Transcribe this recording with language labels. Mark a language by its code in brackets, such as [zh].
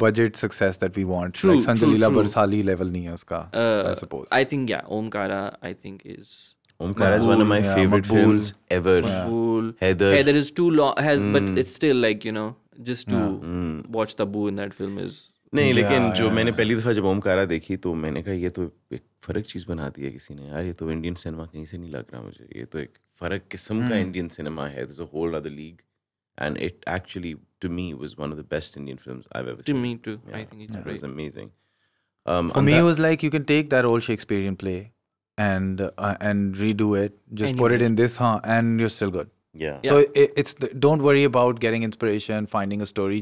[en] Budget success that we want. True, like Sanjay Leela Bhansali level [hi] nahi hai uska, [en] I suppose. I think, yeah. Omkara, I think, is... Omkara is one of my favorite films ever. Mabool. Yeah. Heather. Heather is too long. But it's still like, you know, just to watch Tabu in that film is... [hi] नहीं yeah, लेकिन जो मैंने पहली दफा जब ओमकारा देखी तो मैंने कहा ये तो एक फर्क चीज बना दी है किसी ने यार ये तो इंडियन सिनेमा कहीं से नहीं लग रहा मुझे ये तो एक फर्क किस्म का इंडियन सिनेमा है [en] It's a whole other league and it actually to me was one of the best Indian films I have ever seen to me too I think it's great it's amazing for me was like you can take that old Shakespearean play and redo it just put it in this हां and you are still good Yeah. So it's the, don't worry about getting inspiration, finding a story.